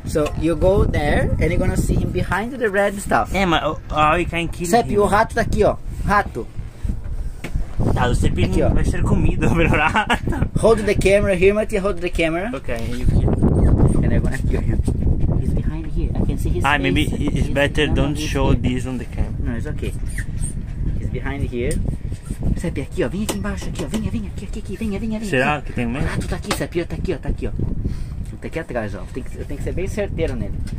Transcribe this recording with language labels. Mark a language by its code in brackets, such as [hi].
[en] So you go there and you're gonna see him behind the red stuff. Yeah, but we can kill Sepp, him. [pt] Sepp, o rato tá aqui, ó. Rato. Ah, você pediu, vai ser comido pelo rato. [en] Hold the camera here, Matia, hold the camera. Okay, you kill. And I'm gonna kill him. He's behind here, I can see his face. Maybe it's better don't show this on the camera. No, it's okay. He's behind here. [pt] Sepp, aqui ó, vem aqui embaixo, aqui ó, vem aqui. Será que tem mesmo? O rato tá aqui, Sepp, tá aqui ó. Tá aqui atrás ó, tem que ser bem certeiro nele.